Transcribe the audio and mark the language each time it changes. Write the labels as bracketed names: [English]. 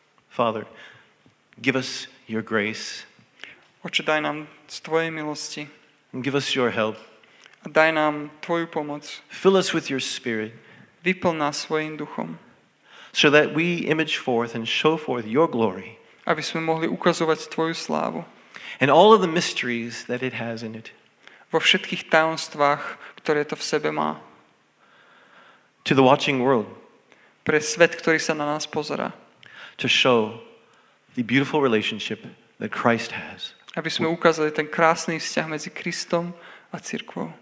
[English] Father, give us your grace. [Slovak] Oče, daj nám z tvojej milosti. [English] And give us your help. [Slovak] A daj nám tvoju pomoc. [English] Fill us with your spirit. [Slovak] Vyplň nás svojim duchom. [English] So that we image forth and show forth your glory. [Slovak] Aby sme mohli ukazovať tvoju slávu. [English] And all of the mysteries that it has in it. [Slovak] Vo všetkých tajomstvách, ktoré to v sebe má. [English] To the watching world. [Slovak] Pre svet, ktorý sa na nás pozerá. [English] To show the beautiful relationship that Christ has. [Slovak] Aby sme ukázali ten krásny vzťah medzi Kristom a cirkvou.